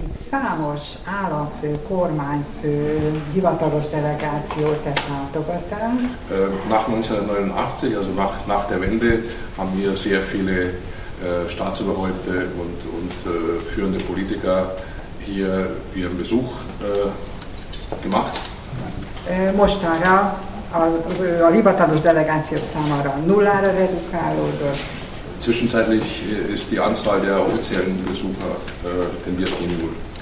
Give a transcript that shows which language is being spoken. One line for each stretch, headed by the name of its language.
Hungarian: Számos államfő, kormányfő, hivatalos delegáció tett látogatást.
German: Nach 1989, also nach der Wende, haben wir sehr viele Staatsoberhäupte und führende Politiker hier ihren Besuch gemacht.
Hungarian: Mostanra a hivatalos delegáció számára nullára redukálódott.
German: Zwischenzeitlich ist die Anzahl der offiziellen Besucher tendiert gegen null.